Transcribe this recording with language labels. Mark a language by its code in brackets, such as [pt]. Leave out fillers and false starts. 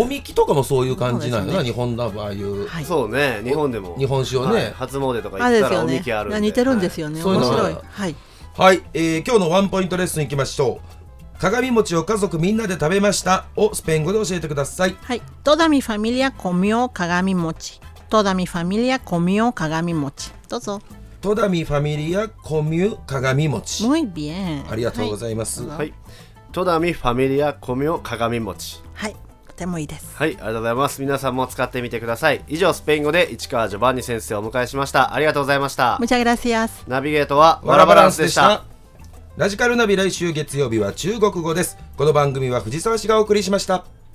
[ja] おみきとかもそういう感じなんだな、ね、日本だ、ああいう、はい、そうね、日本でも日本酒をね、はい、初詣とか行ったらおみきあるんで、似てるんですよね、はい、面白い。はい、はい、今日のワンポイントレッスンいきましょう。鏡餅を家族みんなで食べましたをスペイン語で教えてください。はい。 [es] Toda mi familia comió 鏡餅。 Toda mi familia comió 鏡餅。 [ja] どうぞ。 [es] Toda mi familia comió 鏡餅。 Muy bien。 [ja] ありがとうございます。はい。 [es] Toda mi familia comió 鏡餅。 [ja] はい。とてもいいです。はい。ありがとうございます。皆さんも使ってみてください。以上、スペイン語で市川ジョバンニ先生をお迎えしました。ありがとうございました。 [es] Muchas gracias。 [ja] ナビゲートはワラバランスでした。ラジカルナビ、来週月曜日は中国語です。この番組は藤沢市がお送りしました。